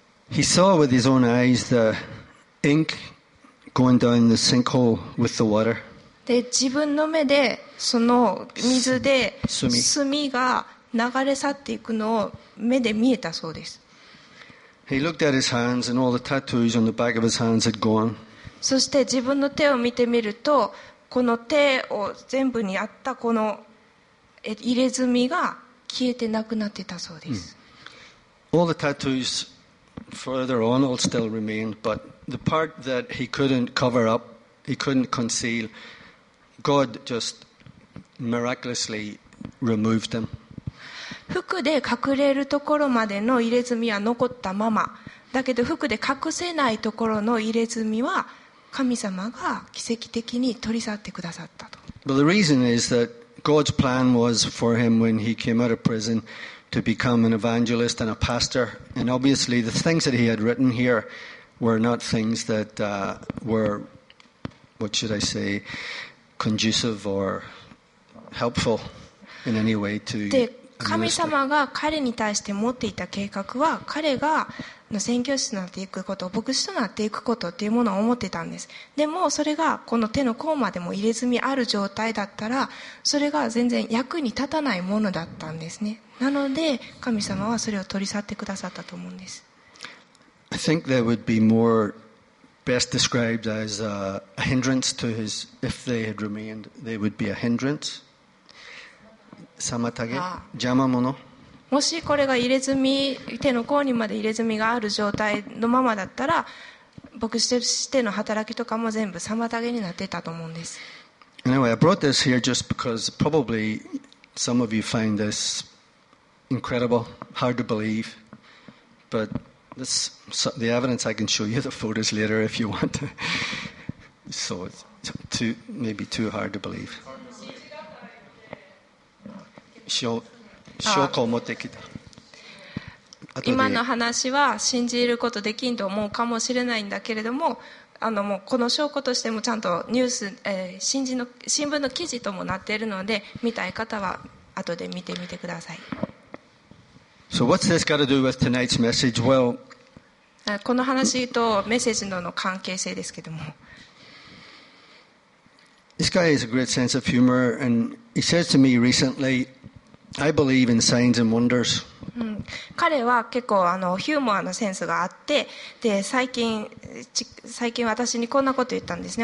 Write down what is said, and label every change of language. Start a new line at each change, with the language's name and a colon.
English: He saw with his own eyes the ink going down the sinkhole with the water.
Japanese: で、自分の目でその水で墨が流れ去っていくのを目で見えたそうです。
English: He looked at his hands and all the tattoos on the back of his hands had gone.
Japanese: そして自分の手を見てみると、この手を全部にあったこの入れ墨が消えてなくなってたそうです。
English: All the tattoos. Further on, all still remained, but the part that he couldn't cover up, he couldn't conceal, God just miraculously removed them.
Japanese: 服で隠れるところまでの入れ墨は残ったまま。だけど服で隠せないところの入れ墨は神様が奇跡的に取り去ってくださったと。
English: But the reason is that God's plan was for him when he came out of prison. To become an evangelist and a pastor, and obviously the things that he had written here were not things that were, what should I say, conducive or helpful in any way to.
Japanese: で、神様が彼に対して持っていた計画は、彼が宣教師となっていくこと、牧師となっていくことっていうものを思ってたんです。でもそれがこの手の甲までも入れ墨ある状態だったら、それが全然役に立たないものだったんですね。なので神様はそれを取り去ってくださったと思うんです。
English: I think that would be more best described as a hindrance to his. If they had remained, they would be a hindrance.
Japanese: 妨げ、邪魔者。もしこれが入れ墨、手の甲にまで入れ墨がある状態のままだったら、牧師としての働きとかも全部妨げになってたと思うんです。
English: Anyway, I brought this here just because probably some of you find this. Incredible, hard to believe, but this, the evidence I can show you the photos later if you want. So it's too, maybe too hard to believe.
Japanese: 証拠を持ってきた。今の話は信じることできんと思うかもしれないんだけれども、もうこの証拠としてもちゃんとニュース、新聞の記事ともなっているので、見たい方は後で見てみてください。
English: So what's this got to do with tonight's message? Well,
Japanese: この話とメッセージ の関係性ですけども、
English: This guy has a great sense of humor, and he says to me recently, "I believe in signs and wonders."
Japanese: 彼は結構ヒューモアのセンスがあって、で最近私にこんなこと言ったんですね。